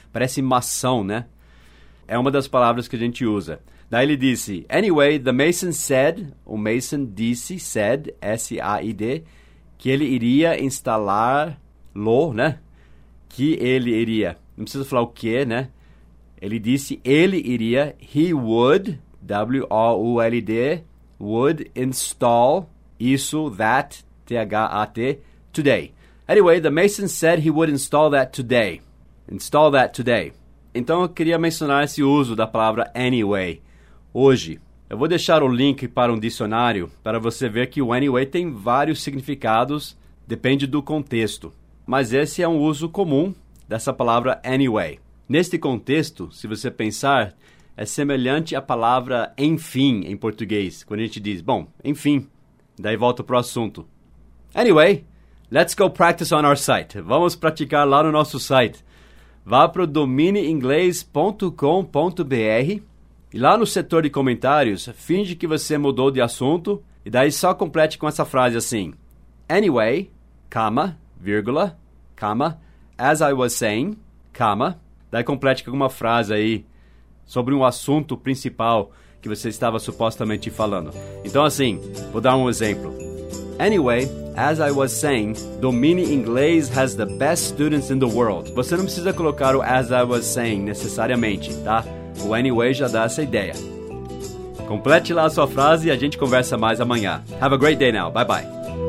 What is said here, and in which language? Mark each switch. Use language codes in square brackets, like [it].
[pt] Parece mação, né? É uma das palavras que a gente usa. Daí ele disse, anyway, [en] the mason said, [pt] o mason disse, said, S-A-I-D, que ele iria instalá-lo, né? Que ele iria, não precisa falar o quê, né? Ele disse, ele iria, [en] he would, W-O-U-L-D, would install isso, that, T-H-A-T, today. Anyway, the mason said he would install that today. Install that today. [pt] Então, eu queria mencionar esse uso da palavra anyway, hoje. Eu vou deixar o link para um dicionário para você ver que o anyway tem vários significados, depende do contexto. Mas esse é um uso comum dessa palavra anyway. Neste contexto, se você pensar, é semelhante à palavra enfim em português, quando a gente diz, bom, enfim, daí volta para o assunto. [en] Anyway, let's go practice on our site. [pt] Vamos praticar lá no nosso site. Vá para o domineinglês.com.br e lá no setor de comentários, finge que você mudou de assunto e daí só complete com essa frase assim. [en] Anyway, comma, vírgula, comma, as I was saying, comma. [pt] Daí complete com alguma frase aí sobre um assunto principal que você estava supostamente falando. Então assim, vou dar um exemplo. [en] Anyway, as I was saying, Domine Inglês has the best students in the world. [pt] Você não precisa colocar o [en] as I was saying [pt] necessariamente, tá? O anyway já dá essa ideia. Complete lá a sua frase e a gente conversa mais amanhã. [en] Have a great day now. Bye bye.